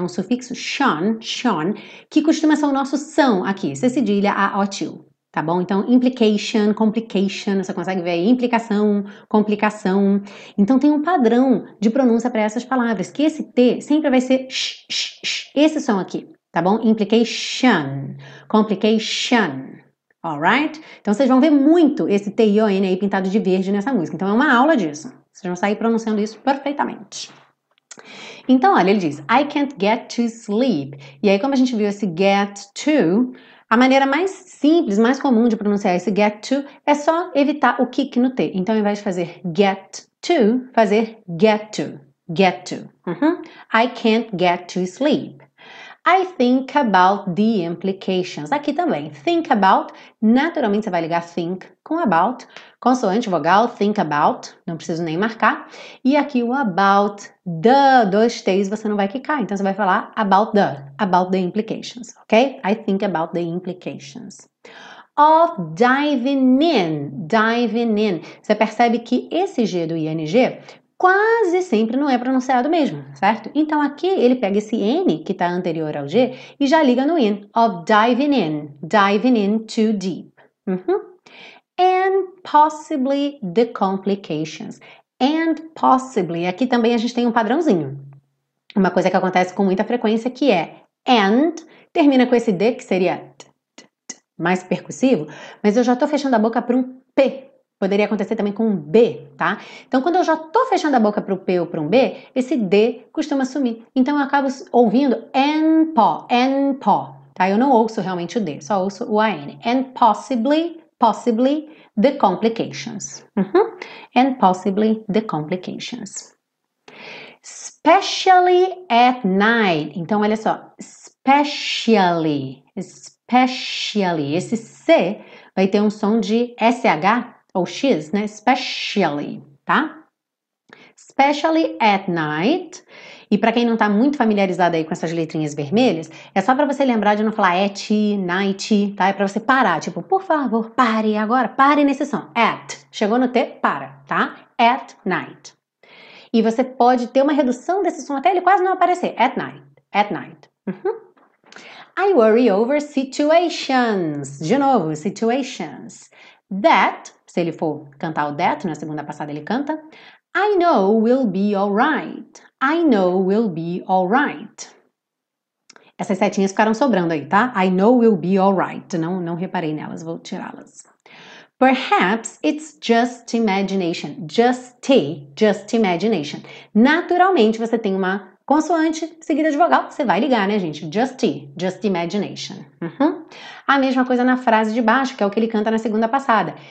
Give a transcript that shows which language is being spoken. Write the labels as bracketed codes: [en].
[pt] Um sufixo, shon, shon, que costuma ser o nosso são aqui, C cedilha, A, O, til, tá bom? Então, implication, complication, você consegue ver aí, implicação, complicação. Então, tem um padrão de pronúncia para essas palavras, que esse T sempre vai ser sh, esse som aqui, tá bom? [en] Implication, complication. Alright? [pt] Então vocês vão ver muito esse T-I-O-N aí pintado de verde nessa música. Então é uma aula disso. Vocês vão sair pronunciando isso perfeitamente. Então, olha, ele diz: [en] I can't get to sleep. [pt] E aí, como a gente viu esse get to, a maneira mais simples, mais comum de pronunciar esse get to é só evitar o kick no T. Então, ao invés de fazer get to, fazer get to. [en] get to. Mm-hmm. I can't get to sleep. I think about the implications. [pt] Aqui também, think about, naturalmente você vai ligar think com about, consoante, vogal, think about, não preciso nem marcar. E aqui o about the, dois T's você não vai quicar, então você vai falar [en] about the implications, [pt] ok? [en] I think about the implications. Of diving in, diving in. [pt] Você percebe que esse G do ING quase sempre não é pronunciado mesmo, certo? Então, aqui ele pega esse N que está anterior ao G e já liga no in. [en] Of diving in too deep. Uhum. And possibly the complications. [pt] And possibly, aqui também a gente tem um padrãozinho. Uma coisa que acontece com muita frequência que é and, termina com esse D que seria mais percussivo, mas eu já estou fechando a boca para um P. Poderia acontecer também com um B, tá? Então, quando eu já tô fechando a boca para o P ou para um B, esse D costuma sumir. Então, eu acabo ouvindo and po, tá? Eu não ouço realmente o D, só ouço o AN. [en] And possibly, possibly the complications. Uhum. And possibly the complications. Especially at night. [pt] Então, olha só. [en] Especially, especially. [pt] Esse C vai ter um som de SH. Ou X, né? [en] Especially, tá? Especially at night. [pt] E pra quem não tá muito familiarizado aí com essas letrinhas vermelhas, é só pra você lembrar de não falar at, night, tá? É pra você parar. Tipo, por favor, pare agora. Pare nesse som. At. Chegou no T, para, tá? At night. E você pode ter uma redução desse som até ele quase não aparecer. [en] At night. At night. Uhum. I worry over situations. [pt] De novo, situations. That, se ele for cantar o that, na segunda passada ele canta. [en] I know we'll be alright. I know we'll be alright. [pt] Essas setinhas ficaram sobrando aí, tá? [en] I know we'll be alright. [pt] Não reparei nelas, vou tirá-las. [en] Perhaps it's just imagination. Just imagination. [pt] Naturalmente você tem uma consoante seguida de vogal, você vai ligar, né, gente? Just imagination. Uhum. A mesma coisa na frase de baixo, que é o que ele canta na segunda passada.